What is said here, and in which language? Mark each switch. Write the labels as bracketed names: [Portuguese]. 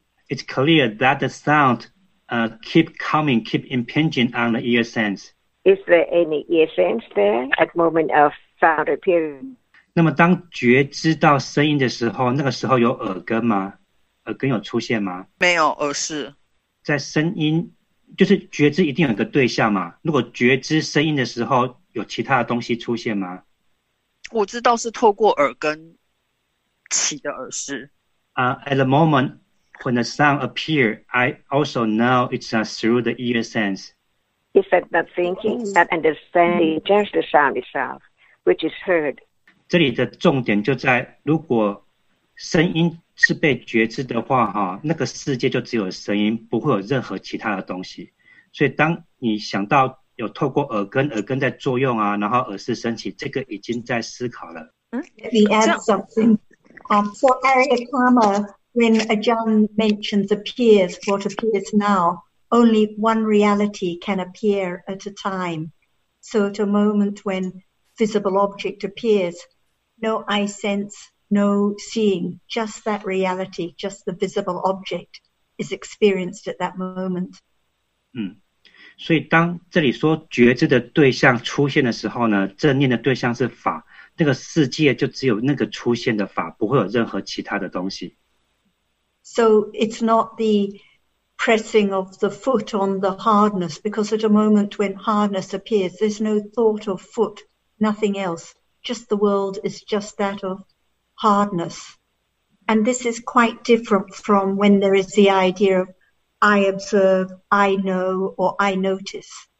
[English] It's clear that the sound keep coming, keep impinging on the ear sense. Is there any ear sense there at the moment of sound appearing? [Chinese] 那么当觉知到声音的时候，那个时候有耳根吗？耳根有出现吗？没有，耳饰。在声音，就是觉知一定有一个对象嘛。如果觉知声音的时候，有其他的东西出现吗？我知道是透过耳根起的耳饰。 [English] At the moment when the sound appears, I also know it's through the ear sense. Is that not thinking, not understanding, just the sound itself, which is heard? [Chinese] 这里的重点就在，如果声音是被觉知的话，那个世界就只有声音，不会有任何其他的东西。所以当你想到有透过耳根在作用啊，然后耳饰升起，这个已经在思考了。 [English] Let me add something. For Aryakama, when Ajahn mentions appears, what appears now, only one reality can appear at a time. So at a moment whenvisible object appears, no eye sense, no seeing, just that reality, just the visible object is experienced at that moment. [Chinese] 所以当这里说觉知的对象出现的时候呢，正念的对象是法，那个世界就只有那个出现的法，不会有任何其他的东西。 [English] So it's not the pressing of the foot on the hardness, because at a moment when hardness appears, there's no thought of foot. Nothing else, just the world is just that of hardness. And this is quite different from when there is the idea of I observe, I know, or I notice.